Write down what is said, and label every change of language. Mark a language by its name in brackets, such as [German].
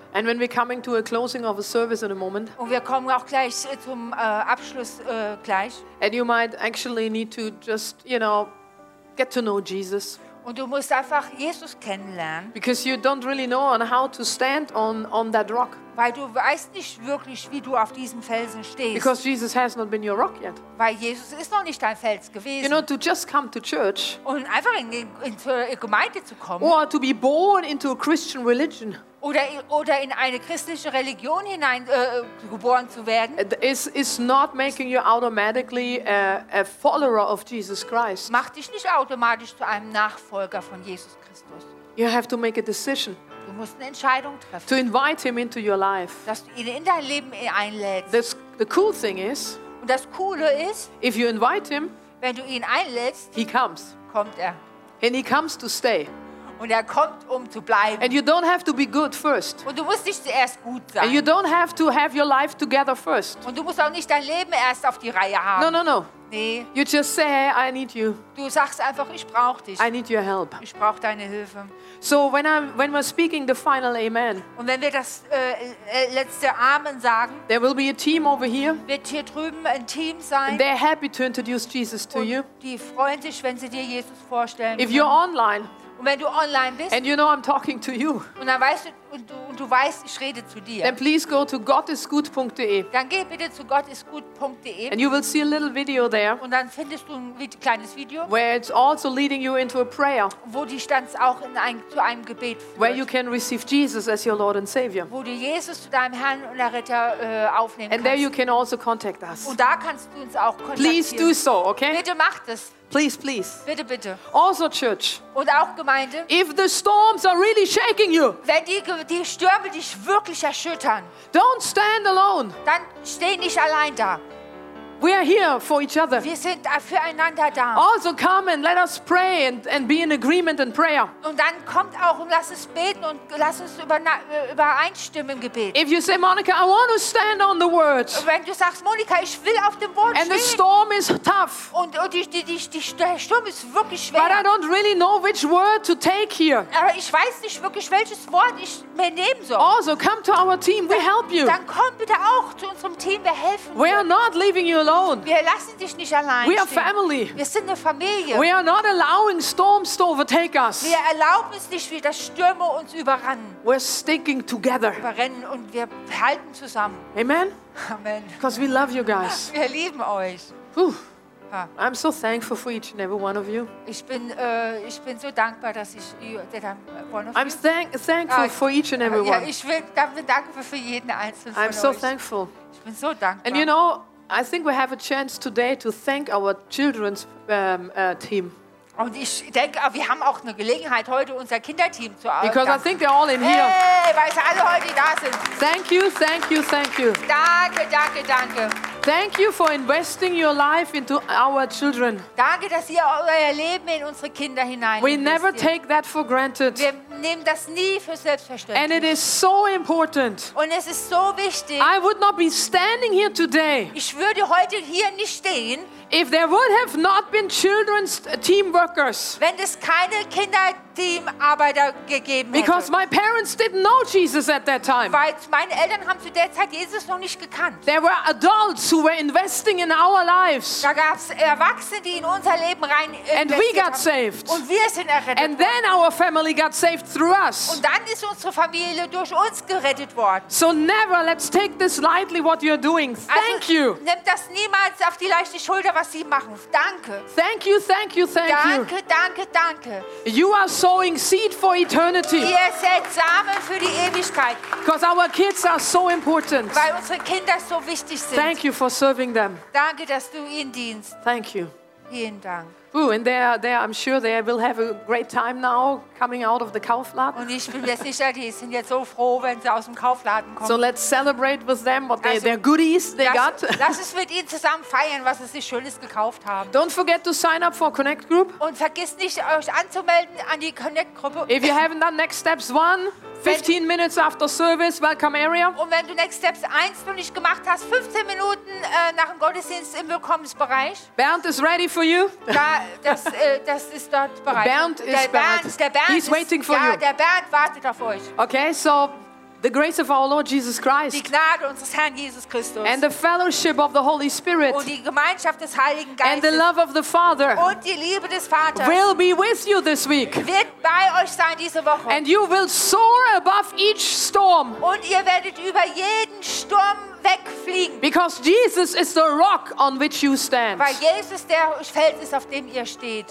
[English] And when we're coming to a closing of a service in a moment. [German] Und wir kommen auch gleich zum Abschluss gleich. [English] And you might actually need to just, you know, get to know Jesus. [German] Und du musst einfach Jesus kennenlernen. [English] Because you don't really know on how to stand on that rock. [German] Weil du weißt nicht wirklich, wie du auf diesem Felsen stehst. [English] Because Jesus has not been your rock yet. [German] Weil Jesus ist noch nicht dein Fels gewesen. [English] You know, to just come to church. [German] Und einfach in die Gemeinde zu kommen. [English] Or to be born into a Christian religion. [German] Oder in eine christliche Religion hinein geboren zu werden. [English] Is not making you automatically a follower of Jesus Christ. [German] Macht dich nicht automatisch zu einem Nachfolger von Jesus Christus. [English] You have to make a decision. [German] Du musst eine Entscheidung treffen. [English] To invite him into your life. [German] Dass du ihn in dein Leben einlädst. [English] The cool thing is. [German] Und das Coole ist. [English] If you invite him. [German] Wenn du ihn einlädst. [English] He comes. [German] Kommt er. [English] And he comes to stay. [German] Und er kommt, um zu bleiben. [English] And you don't have to be good first. [German] Und du musst nicht zuerst gut sein. [English] And you don't have to have your life together first. [German] Und du musst auch nicht dein Leben erst auf die Reihe haben. [English] No. [German] Nee. [English] You just say, hey, I need you. [German] Du sagst einfach, ich brauche dich. [English] I need your help. [German] Ich brauche deine Hilfe. [English] So when we're speaking the final amen. [German] Und wenn wir das letzte Amen sagen. [English] There will be a team over here. [German] Wird hier drüben ein Team sein. [English] And they're happy to introduce Jesus to you. [German] Die freuen sich, wenn sie dir Jesus vorstellen. [English] If you're online. [German] Und wenn du online bist, [English] and you know I'm talking to you. [German] Und dann weißt du, und du weißt, ich rede zu dir. [English] Then please go to gottisgut.de. [German] Dann geh bitte zu gottisgut.de. [English] And you will see a little video there. [German] Und dann findest du ein kleines Video. [English] Where it's also leading you into a prayer. [German] Wo die Stanz auch zu einem Gebet führt. [English] Where you can receive Jesus as your Lord and Savior. [German] Wo du Jesus zu deinem Herrn und Erretter aufnehmen [English] and There you can also contact us. [German] Und da kannst du uns auch kontaktieren. [English] Please do so, okay? [German] Bitte mach das. [English] Please. [German] Bitte, bitte. [English] Also, church. [German] Und auch Gemeinde. [English] If the storms are really shaking you. [German] Wenn die Stürme dich wirklich erschüttern. [English] Don't stand alone. [German] Dann steh nicht allein da. [English] We are here for each other. [German] Wir sind füreinander da. [English] Also, come and let us pray and be in agreement in prayer. [German] Und dann kommt auch und lass uns beten und lass uns übereinstimmen im Gebet. [English] If you say, Monica, I want to stand on the word. [German] Wenn du sagst, Monika, ich will auf dem Wort stehen. [English] And the storm is tough. [German] Und der Sturm ist wirklich schwer. [English] But I don't really know which word to take here. [German] Aber ich weiß nicht wirklich, welches Wort ich mir nehmen soll. [English] Also, come to our team. We help you. [German] Dann komm bitte auch zu unserem Team. Wir helfen dir. [English] We are not leaving you alone. [German] Wir lassen dich nicht allein. [English] We are family. [German] Wir sind eine Familie. [English] We are not allowing storms to overtake us. [German] Wir erlauben es nicht, wie dass Stürme uns überrennen. [English] We're sticking together. [German] Überrennen und wir halten zusammen. [English] Amen. [German] Amen. [English] Because we love you guys. [German] Wir lieben euch. [English] I'm so thankful for each and every one of you. [German] Ich bin so dankbar, dass ich [English] I'm thankful for each and every one. [German] Ich bin dankbar für jeden einzelnen. [English] I'm so thankful. [German] Ich bin so dankbar. [English] And you know, I think we have a chance today to thank our children's team. [German] Und ich denke, wir haben auch eine Gelegenheit heute unser Kinderteam zu erwähnen. [English] Because I think they're all in here. [German] Hey, weil sie alle heute da sind. [English] Thank you. [German] Danke. [English] Thank you for investing your life into our children. [German] Danke, dass ihr euer Leben in unsere Kinder hinein. [English] We never take that for granted. [German] Wir nehmen das nie für selbstverständlich. [English] And it is so important. [German] Und es ist so wichtig. [English] I would not be standing here today. [German] Ich würde heute hier nicht stehen. [English] If there would have not been children's team workers. [German] Wenn es keine Kinderteamarbeiter gegeben hätte. [English] Because my parents didn't know Jesus at that time. [German] Weil meine Eltern haben zu der Zeit Jesus noch nicht gekannt. [English] There were adults who were investing in our lives. [German] Da gab es Erwachsene, die in unser Leben rein investiert haben. [English] And we got saved. [German] Und wir sind errettet. [English] And then our family got saved through us. [German] Und dann ist unsere Familie durch uns gerettet worden. [English] So never let's take this lightly what you're doing. Thank also, you. [German] Nimm das niemals auf die leichte Schulter, was Sie machen. Danke. [English] Thank you, thank you, thank [German] danke, [English] you. [German] Danke, danke, danke. [English] You are sowing seed for eternity. [German] Ihr sät Samen für die Ewigkeit. [English] Because our kids are so important. [German] Weil unsere Kinder so wichtig sind. [English] Thank you for serving them. [German] Danke, dass du ihnen dienst. [English] Thank you. [German] Vielen Dank. [English] Ooh, and there, I'm sure they will have a great time now coming out of the Kaufladen. [German] Und ich bin mir sicher, die sind jetzt so froh, wenn sie aus dem Kaufladen kommen. [English] So let's celebrate with them what they, also, their goodies they [German] lass, [English] got. [German] Lass uns mit ihnen zusammen feiern, was sie sich Schönes gekauft haben. [English] Don't forget to sign up for Connect Group. [German] Und vergiss nicht, euch anzumelden an die Connect Gruppe. [English] If you haven't done next steps one, 15 minutes after service, welcome area. [German] Und wenn du Next Steps 1 noch nicht gemacht hast, 15 Minuten nach dem Gottesdienst im Willkommensbereich. [English] Bernd is ready for you. [German] Das ist dort bereit. Bernd ist bereit. Der Bernd [English] he's [German] ist, [English] waiting for [German] ja, [English] you. [German] Der Bernd wartet auf euch. [English] Okay, so the grace of our Lord Jesus Christ. [German] Die Gnade unseres Herrn Jesus Christus. [English] And the fellowship of the Holy Spirit. [German] Und die Gemeinschaft des Heiligen Geistes. [English] And the love of the Father. [German] Und die Liebe des Vaters. [English] Will be with you this week. [German] Wird bei euch sein diese Woche. [English] And you will soar above each storm. [German] Und ihr werdet über jeden Sturm wegfliegen. [English] Because Jesus is the rock on which you stand. [German] Weil Jesus der Fels ist, auf dem ihr steht.